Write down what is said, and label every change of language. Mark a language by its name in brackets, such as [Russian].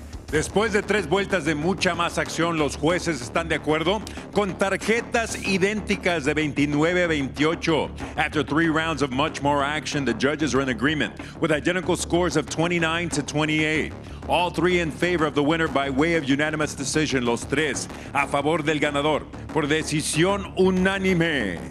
[Spanish] Después de tres vueltas de mucha más acción, los jueces están de acuerdo con tarjetas idénticas de 29-28. [English] After three rounds of much more action, the judges are in agreement with identical scores of 29-28. All three in favor of the winner by way of unanimous decision. [Spanish] Los tres a favor del ganador por decisión unánime.